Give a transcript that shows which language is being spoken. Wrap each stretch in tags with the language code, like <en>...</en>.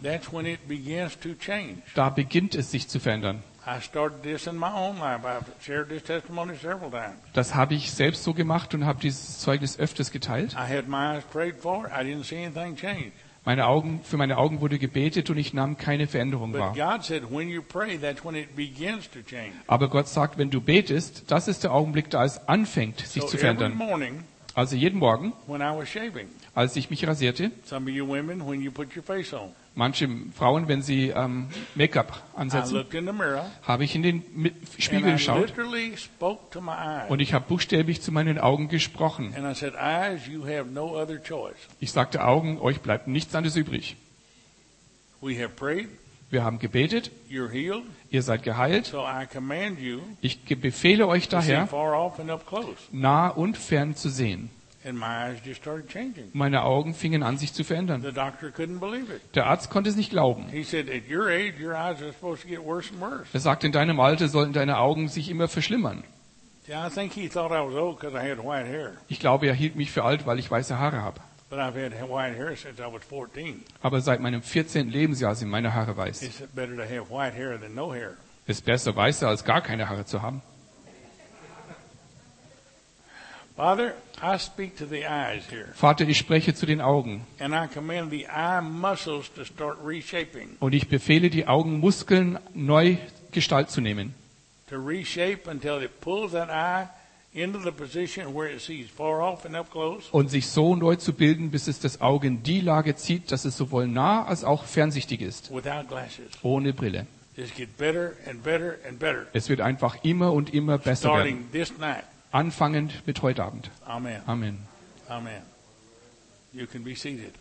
<en>that's when it begins to change.</en> <de>Da beginnt es sich zu verändern.</de> <en>I started this in my own life. I've shared this testimony several times.</en> <de>Das habe ich selbst so gemacht und habe dieses Zeugnis öfters geteilt.</de> <en>I had my eyes prayed for. I didn't see anything change.</en> <de>Für meine Augen wurde gebetet und ich nahm keine Veränderung wahr.</de> <en>God said, when you pray, that's when it begins to change.</en> <de>Aber Gott sagt, wenn du betest, das ist der Augenblick, da es anfängt, sich zu verändern.</de> <en>Every morning,</en> <de>also jeden Morgen,</de> <en>when I was shaving,</en> <de>als ich mich rasierte,</de> <en>some of you women, when you put your face on,</en> <de>manche Frauen, wenn sie Make-up ansetzen,</de> <en>I looked in the mirror,</en> <de>habe ich in den Spiegel</de> <en>and</en> <de>geschaut</de> <en>I literally spoke to my eyes,</en> <de>und ich habe buchstäblich zu meinen Augen gesprochen.</de> <en>And I said, eyes, you have no other choice.</en> <de>Ich sagte, Augen, euch bleibt nichts anderes übrig.</de> <en>We have prayed.</en> <de>Wir haben gebetet,</de> <en>you're healed.</en> <de>Ihr seid geheilt.</de> <en>So I command you,</en> <de>ich befehle euch daher,</de> <en>far off and up close.</en> <de>Nah und fern zu sehen.</de> <en>And my eyes just started changing.</en> <de>Meine Augen fingen an, sich zu verändern.</de> <en>The doctor couldn't believe it.</en> <de>Der Arzt konnte es nicht glauben. Er sagte, in deinem Alter sollten deine Augen sich immer verschlimmern. Ich glaube, er hielt mich für alt, weil ich weiße Haare habe.</de> <en>But I've had white hair since I was 14.</en> <de>Aber seit meinem 14. Lebensjahr sind meine Haare weiß.</de> <en>It's better to have white hair than no hair.</en> <de>Ist besser, weißer als gar keine Haare zu haben.</de> <en>Father, I speak to the eyes here.</en> <de>Vater, ich spreche zu den Augen.</de> <en>And I command the eye muscles to start reshaping.</en> <de>Und ich befehle, die Augenmuskeln neu Gestalt zu nehmen.</de> <en>To reshape until it pulls that eye into the position where it sees far off and up close.</en> <de>Und sich so neu zu bilden, bis es das Auge in die Lage zieht, dass es sowohl nah als auch fernsichtig ist.</de> <en>Without glasses.</en> <de>Ohne Brille.</de> <en>It gets better and better and better.</en> <de>Es wird einfach immer und immer besser</de> <en>starting</en> <de>werden.</de> <en>This night.</en> <de>Anfangend mit heute Abend.</de> <en>Amen.</en> <de>Amen.</de> <en>Amen. You can be seated.</en>